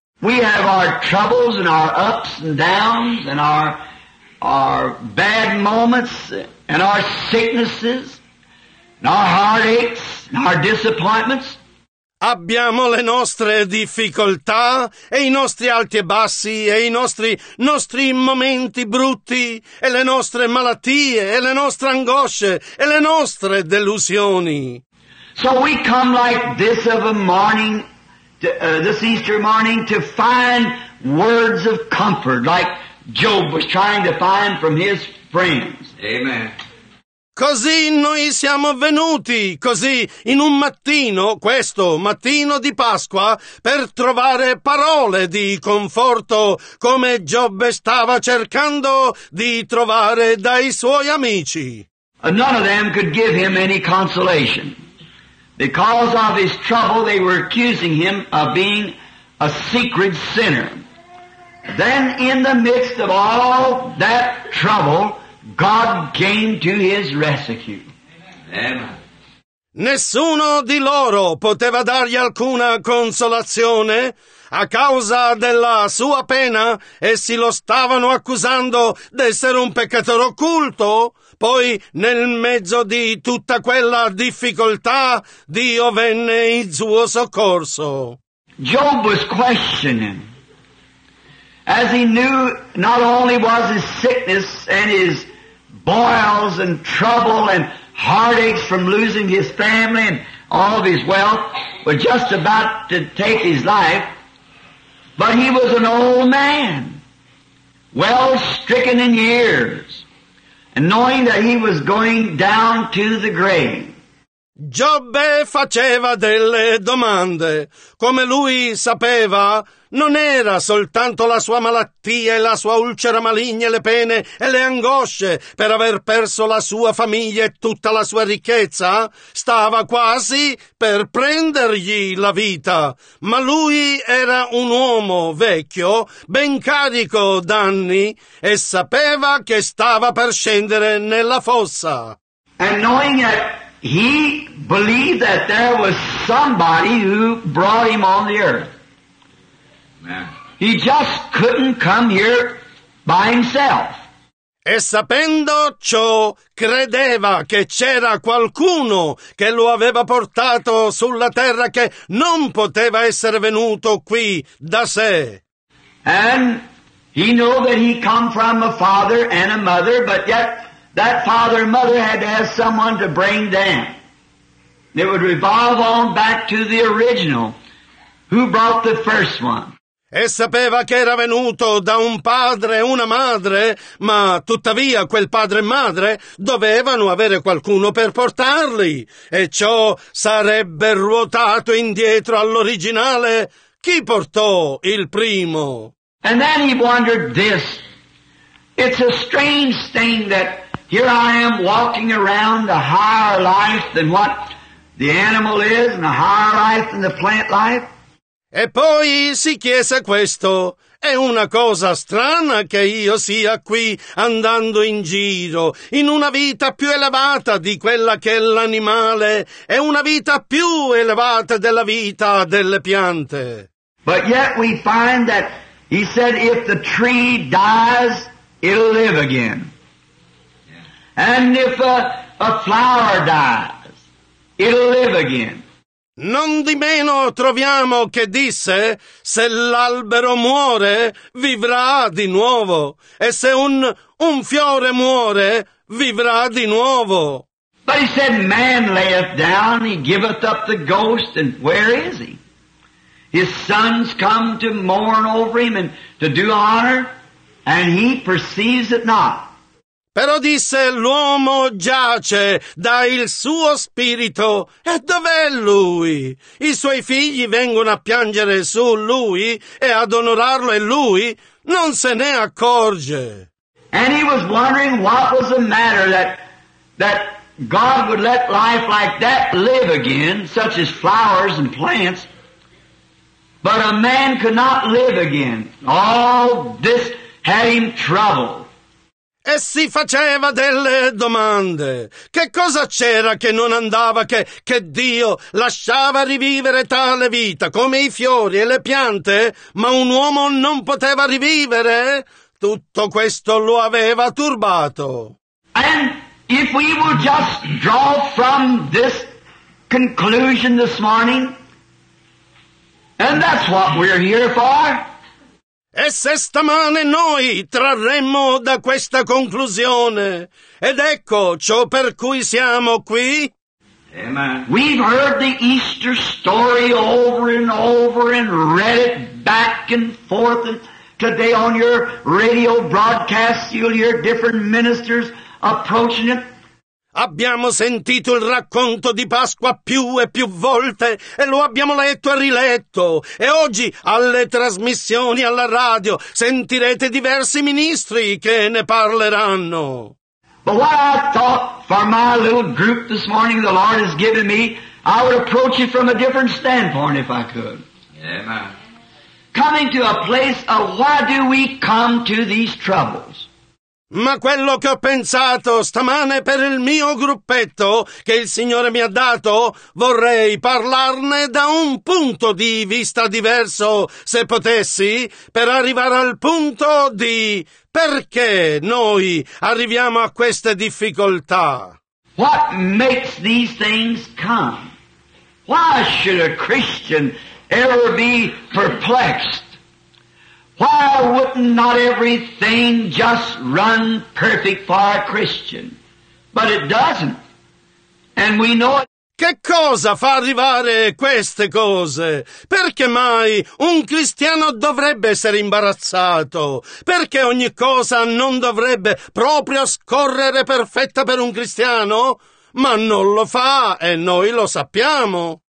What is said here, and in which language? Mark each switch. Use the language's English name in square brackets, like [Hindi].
[English] We have our troubles and our ups and downs and our bad moments and our sicknesses and our heartaches and our disappointments. [Italian] Abbiamo le nostre difficoltà e i nostri alti e bassi e i nostri momenti brutti e le nostre malattie e le nostre angosce e le nostre delusioni. [English] So we come like this of a morning, this Easter morning, to find words of comfort like Job was trying to find from his friends. Amen. [Italian] Così noi siamo venuti, così in un mattino, questo mattino di Pasqua, per trovare parole di conforto, come Giobbe stava cercando di trovare dai suoi amici. [English] None of them could give him any consolation. Because of his trouble, they were accusing him of being a secret sinner. Then in the midst of all that trouble, God came to his rescue. Amen. [Italian] Nessuno di loro poteva dargli alcuna consolazione a causa della sua pena, essi lo stavano accusando d'essere un peccatore occulto. Poi, nel mezzo di tutta quella difficoltà, Dio venne in suo soccorso. [English] Job was questioning, as he knew not only was his sickness and his boils and trouble and heartaches from losing his family and all of his wealth were just about to take his life. But he was an old man, well stricken in years, and knowing that he was going down to the grave. [Italian] Giobbe faceva delle domande. Come lui sapeva, non era soltanto la sua malattia e la sua ulcera maligna e le pene e le angosce per aver perso la sua famiglia e tutta la sua ricchezza. Stava quasi per prendergli la vita. Ma lui era un uomo vecchio, ben carico d'anni, e sapeva che stava per scendere nella fossa. [English] And knowing it, he believed that there was somebody who brought him on the earth. Amen. He just couldn't come here by himself. [Italian] E sapendo ciò, credeva che c'era qualcuno che lo aveva portato sulla terra, che non poteva essere venuto qui da sé. [English] And he knew that he come from a father and a mother, but yet that father and mother had to have someone to bring them. It would revolve on back to the original. Who brought the first one? [Italian] E sapeva che era venuto da un padre e una madre, ma tuttavia quel padre e madre dovevano avere qualcuno per portarli. E ciò sarebbe ruotato indietro all'originale. Chi portò il primo? [English] And then he wondered this. It's a strange thing that here I am walking around a higher life than what the animal is, and a higher life than the plant life. [Italian] E poi si chiese questo. È una cosa strana che io sia qui andando in giro, in una vita più elevata di quella che è l'animale, e una vita più elevata della vita delle piante. [English] But yet we find that he said if the tree dies, it'll live again. And if a flower dies, it'll live again. [Italian] Non di meno troviamo che disse: se l'albero muore, vivrà di nuovo, e se un fiore muore, vivrà di nuovo. [English] But he said, man layeth down, he giveth up the ghost, and where is he? His sons come to mourn over him and to do honor, and he perceives it not. [Italian] Però disse, l'uomo giace, dà il suo spirito, e dov'è lui? I suoi figli vengono a piangere su lui e ad onorarlo, e lui non se ne accorge. [English] And he was wondering what was the matter that God would let life like that live again, such as flowers and plants, but a man could not live again. All this had him troubled. [Italian] E si faceva delle domande. Che cosa c'era che non andava, che Dio lasciava rivivere tale vita, come i fiori e le piante, ma un uomo non poteva rivivere? Tutto questo lo aveva turbato. [English] And if we will just draw from this conclusion this morning, and that's what we're here for. [Italian] E se stamane noi trarremmo da questa conclusione, ed ecco ciò per cui siamo qui. [English] Amen. We've heard the Easter story over and over and read it back and forth. And today on your radio broadcast you'll hear different ministers approaching it. [Italian] Abbiamo sentito il racconto di Pasqua più e più volte, e lo abbiamo letto e riletto, e oggi alle trasmissioni, alla radio, sentirete diversi ministri che ne parleranno. [English] But what I thought for my little group this morning the Lord has given me, I would approach it from a different standpoint if I could. Amen. Coming to a place of why do we come to these troubles? [Italian] Ma quello che ho pensato stamane per il mio gruppetto che il Signore mi ha dato, vorrei parlarne da un punto di vista diverso, se potessi, per arrivare al punto di perché noi arriviamo a queste difficoltà. [English] What makes these things come? Why should a Christian ever be perplexed? Why wouldn't not everything just run perfect for a Christian? But it doesn't. And we know it. [Italian] Che cosa fa arrivare queste cose? Perché mai un cristiano dovrebbe essere imbarazzato? Perché ogni cosa non dovrebbe proprio scorrere perfetta per un cristiano? Ma non lo fa, e noi lo sappiamo.